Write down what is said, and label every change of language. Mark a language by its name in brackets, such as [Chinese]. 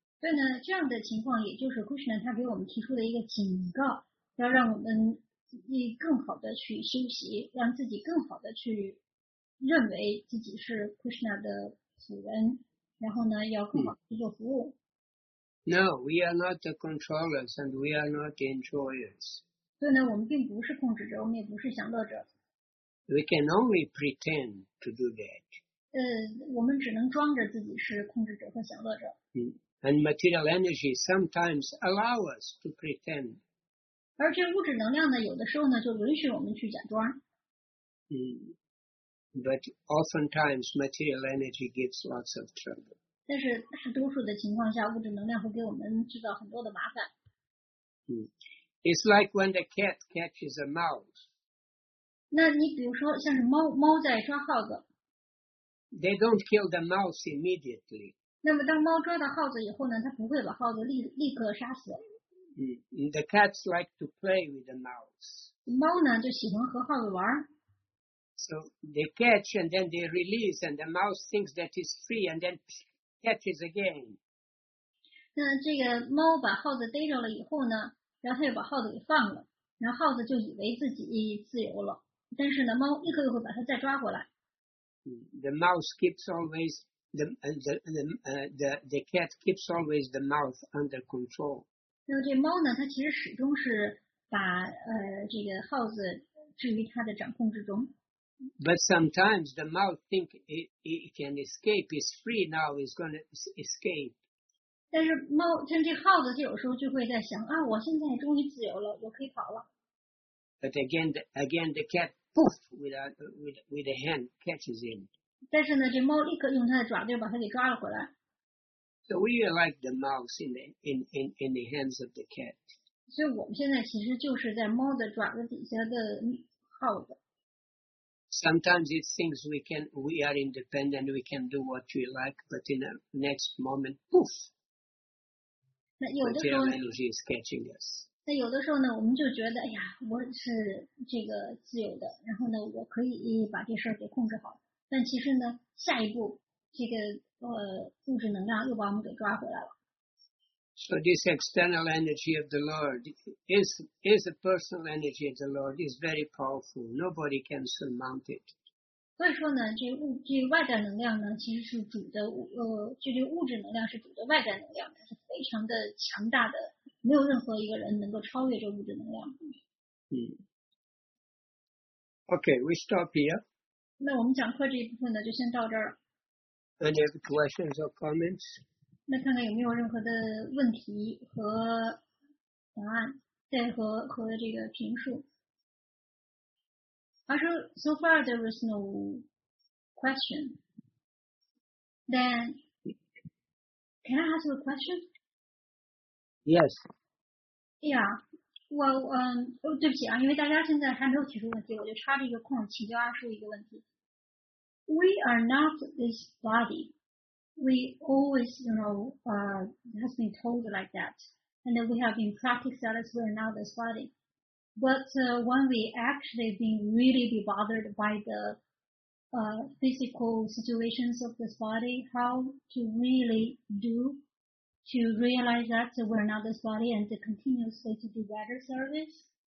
[Chinese] 对呢，这样的情况也就是 Krishna 他给我们提出的一个警告，要让我们更好的去修习，让自己更好的去认为自己是 Krishna 的仆人，然后呢，要更好的去做服务。 [English] No, we are not the controllers, and we are not the enjoyers. [Chinese] 对呢，我们并不是控制者，我们也不是享乐者。 [English] We can only pretend to do that. [Chinese] 我们只能装着自己是控制者和享乐者。 [English] And material energy sometimes allow us to pretend. [Chinese] 而这物质能量呢，有的时候呢，就允许我们去假装。 [English] But oftentimes material energy gives lots of trouble. [Chinese] 但是大多数的情况下，物质能量会给我们制造很多的麻烦。 [English] It's like when the cat catches a mouse. [Chinese] 那你比如说像是猫在抓耗子 [English] They don't kill the mouse immediately. [Chinese] 那么当猫抓到耗子以后呢，它不会把耗子立刻杀死。 [English] The cats like to play with the mouse. [Chinese] 猫呢就喜欢和耗子玩。 [English] So they catch and then they release and the mouse thinks that it's free and then catches again. [Chinese] 那这个猫把耗子逮着了以后呢，然后它又把耗子给放了，然后耗子就以为自己自由了。但是呢，猫一口一口把它再抓回来。 [English] The mouse keeps always the cat keeps always the mouse under control. [Chinese] 那这猫呢，它其实始终是把这个耗子置于它的掌控之中。 [English] But sometimes the mouse think it can escape, is free now, is going to escape. [Chinese] 但是猫，像这耗子，就有时候就会在想啊，我现在终于自由了，我可以跑了。 [English] But again, the cat poof with a hand catches him. [Chinese] 但是呢，这猫立刻用它的爪子把它给抓了回来。 [English] So we are like the mouse in the hands of the cat. [Chinese] 所以我们现在其实就是在猫的爪子底下的耗子。 [English] Sometimes it thinks we are independent, we can do what we like, but in the next moment, poof. [Chinese] 那有的时候 [English] energy is catching us. [Chinese] 那有的时候呢，我们就觉得，哎呀，我是这个自由的，然后呢，我可以把这事儿给控制好。但其实呢，下一步这个物质能量又把我们给抓回来了。 [English] So this external energy of the Lord is a personal energy of the Lord is very powerful. Nobody can surmount it. [Chinese] 所以说呢，这外在能量呢，其实是主的这物质能量是主的外在能量，它是非常的强大的，没有任何一个人能够超越这物质能量。 [English] Okay, we stop here. [Chinese] 那我们讲课这一部分呢，就先到这儿。 [English] Any other questions or comments? [Chinese] 那看看有没有任何的问题和答案，再和这个评述。 [English] I said, so far there is no question. Then, can I ask a question? Yes. Yeah. [Chinese] Well, 对不起啊，因为大家现在还没有提出问题，我就插这个空，请教阿叔一个问题。 [English] We are not this body. We always, you know, has been told like that. And then we have been practicing that as we're now this body. But, when we actually been really be bothered by the, physical situations of this body, how to really do to realize that we're now this body and to continuously to do better service.